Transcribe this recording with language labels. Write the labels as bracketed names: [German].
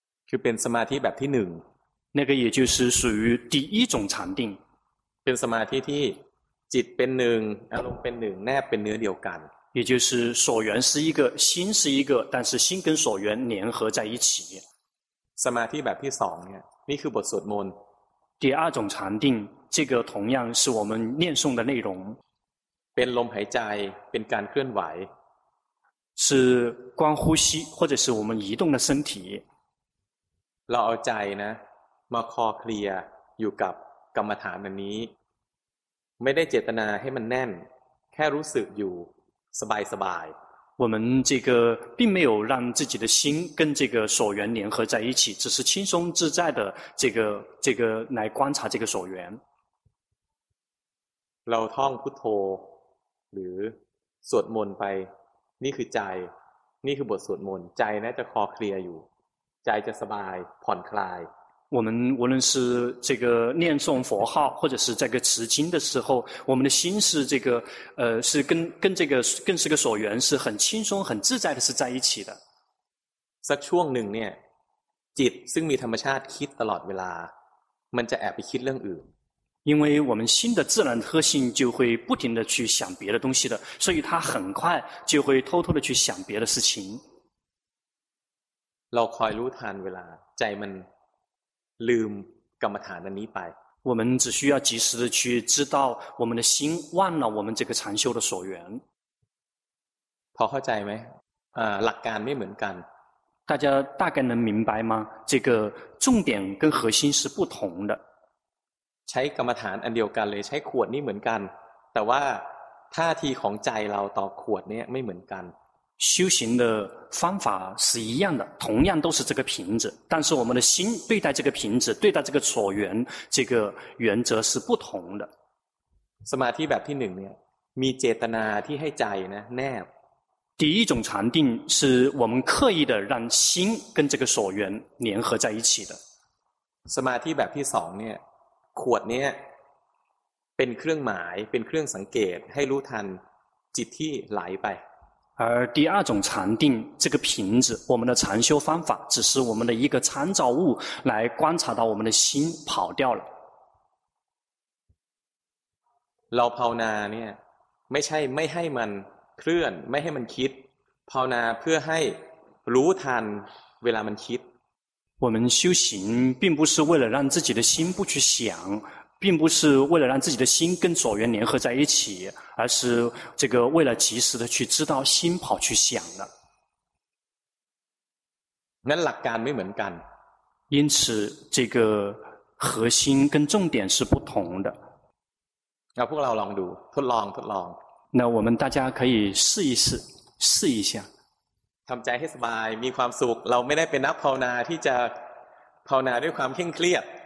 [Thai] คือเป็นสมาธิแบบที่หนึ่ง [Chinese] 那个也就是属于第一种禅定 [Thai] เป็นสมาธิที่จิตเป็นหนึ่งอารมณ์เป็นหนึ่งแนบเป็นเนื้อเดียวกัน [Chinese] 也就是所缘是一个心是一个但是心跟所缘联合在一起 [Thai] สมาธิแบบที่สองเนี่ยนี่คือบทสวดมนต์ [Chinese] 第二种禅定这个同样是我们念诵的内容 [Thai] เป็นลมหายใจเป็นการเคลื่อนไหว [Chinese] 是观呼吸或者是我们移动的身体 [Thai] เราเอาใจนะมาคลอเคลียอยู่กับกรรมฐานอันนี้ไม่ได้เจตนาให้มันแน่นแค่รู้สึกอยู่สบายสบาย [Chinese] 我们这个并没有让自己的心跟这个所缘联合在一起只是轻松自在的这个来观察这个所缘 [Thai] เราท่องพุทโธหรือสวดมนต์ไปนี่คือใจนี่คือบทสวดมนต์ใจนะจะคอเคลียร์อยู่ใจจะสบายผ่อนคลาย [Chinese] 我们无论是这个念诵佛号或者是这个持经的时候我们的心是这个是跟这个跟这个所缘是很轻松很自在的是在一起的 [Thai] สักช่วงหนึ่งเนี่ยจิตซึ่งมีธรรมชาติคิดตลอดเวลามันจะแอบไปคิดเรื่องอื่น [Chinese] 因为我们心的自然特性就会不停的去想别的东西的所以它很快就会偷偷的去想别的事情 [Thai] เราคอยรู้ทันเวลาใจมันลืมกรรมฐานอันนี้ไป [Chinese] 我们只需要及时的去知道我们的心忘了我们这个禅修的所缘 [Thai] พอเข้าใจไหมหลักการไม่เหมือนกัน [Chinese] 大家大概能明白吗这个重点跟核心是不同的 [Thai] ใช้กรรมฐานอันเดียวกันเลยใช้ขวดนี่เหมือนกันแต่ว่าท่าทีของใจเราต่อขวดนี้ไม่เหมือนกัน [Chinese] 修行的方法是一样的同样都是这个瓶子但是我们的心对待这个瓶子对待这个所缘这个原则是不同的 [Thai] สมาธิแบบที่หนึ่งเนี่ยมีเจตนาที่ให้ใจนะแนบ [Chinese] 第一种禅定是我们刻意的让心跟这个所缘联合在一起的 [Thai] สมาธิแบบที่สองเนี่ยขวดเนี่ย ป็นเครื่องหมายเป็นเครื่องสังเกตให้รู้ทันจิตที่ไหลไป [Chinese] 而第二种禅定这个瓶子我们的禅修方法只是我们的一个参照物来观察到我们的心跑掉了 [Thai] เราภาวนาเนี่ยไม่ใช่ไม่ให้มันเคลื่อนไม่ให้มันคิดภาวนาเพื่อให้รู้ทันเวลามันคิด [Chinese] 我们修行并不是为了让自己的心不去想并不是为了让自己的心跟所缘联合在一起而是这个为了及时的去知道心跑去想了 [Thai] นั้นหลักการไม่เหมือนกัน [Chinese] 因此这个核心跟重点是不同的 [Thai] 那พวกเราลองดูทดลองทดลอง [Chinese] 那我们大家可以试一试试一下 [Thai] ทำใจให้สบายมีความสุขเราไม่ได้เป็นนักภาวนาที่จะภาวนาด้วยความเคร่งเครียด